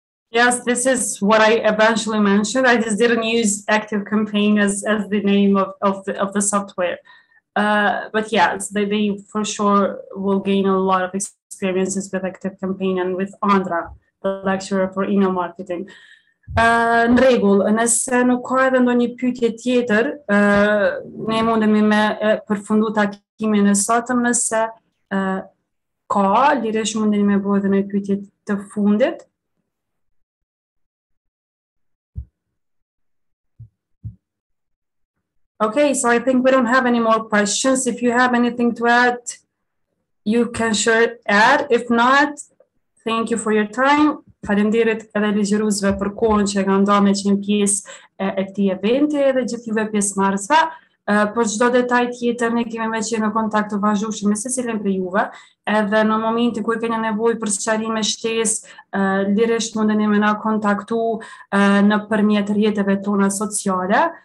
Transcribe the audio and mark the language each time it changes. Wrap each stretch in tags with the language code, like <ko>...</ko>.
<en>Yes, this is what I eventually mentioned. I just didn't use Active Campaign as the name of the software. But yes, they for sure will gain a lot of experiences with Active Campaign and with Andra, the lecturer for email marketing.</en> <sq>Në regull, nëse nuk ka edhe ndonjë pyetje tjetër, ne mundemi me përfundu takimin e sotëm, nëse ka, lirish mundemi me bëhet në pyetje të fundit.</sq> <en>Okay, so I think we don't have any more questions. If you have anything to add, you can sure add. If not, thank you for your time.</en> <sq>Faleminderit edhe ligjëruesve për kohën që kanë dhënë me qenë pjesë e këtij eventi edhe gjithë juve pjesëmarrësve. Për çdo detaj tjetër ne kemi me qenë në kontakt të vazhdueshëm me secilin prej juve, edhe në momentin kur keni nevojë për sqarime shtesë, lirish mundeni me na kontaktu nëpërmjet rrjeteve tona sociale.</sq>